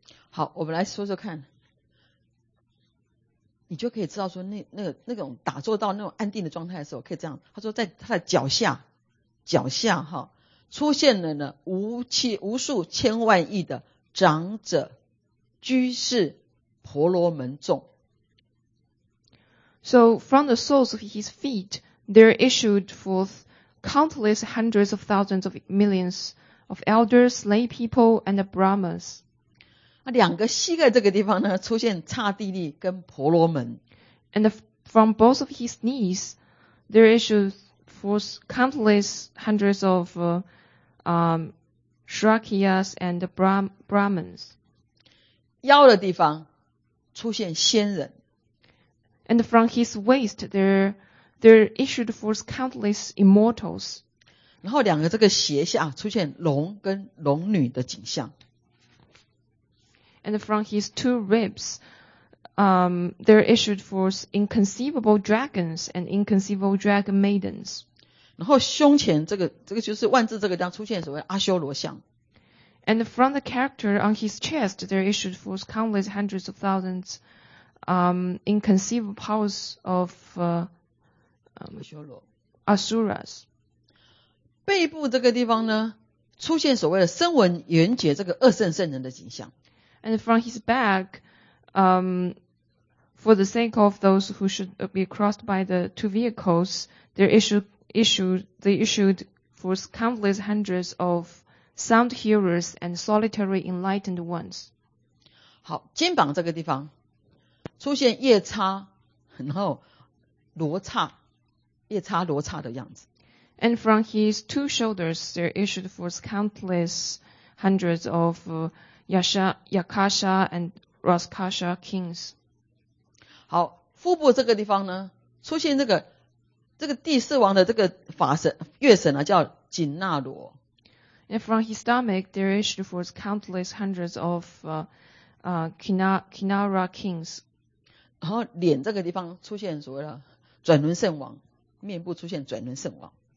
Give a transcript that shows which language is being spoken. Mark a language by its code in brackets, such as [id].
[zh] 好，我们来说说看，你就可以知道说那种打坐到那种安定的状态的时候，可以这样。他说在他的脚下哈，出现了呢无数千万亿的长者、居士、婆罗门众。 [en] So from the soles of his feet, there issued forth countless hundreds of thousands of millions of elders, lay people, and brahmas. [zh] 那两个膝盖这个地方呢，出现刹帝利跟婆罗门。 [en] And from both of his knees, there issued. For countless hundreds of Shrakiyas and Brahmins. [zh] 腰的地方出现仙人。 [en] And from his waist, there issued forth countless immortals. [zh] 然后两个这个胁下出现龙跟龙女的景象。 [en] And from his two ribs, there issued forth inconceivable dragons and inconceivable dragon maidens. [zh] 然后胸前这个就是万字这个地方出现所谓阿修罗像。 [en] And from the character on his chest, there issued forth countless hundreds of thousands, inconceivable powers of, [zh] 阿修罗 [en] ,Asuras. [zh] 背部这个地方呢，出现所谓的声闻缘觉这个二圣圣人的景象。 [en] And from his back, for the sake of those who should be crossed by the two vehicles, they issued for countless hundreds of sound hearers and solitary enlightened ones. [zh] 好，肩膀这个地方出现夜叉，然后罗刹，夜叉罗刹的样子。 [en] And from his two shoulders, there issued for countless hundreds of Yakasha and Raskasha kings. [zh] 好，腹部这个地方呢，出现这个第四王的这个法神月神啊，叫紧那罗。 [en] And from his stomach, there issued forth countless hundreds of Kinara kings. [zh] 然后脸这个地方出现所谓的转轮圣王，面部出现转轮圣王。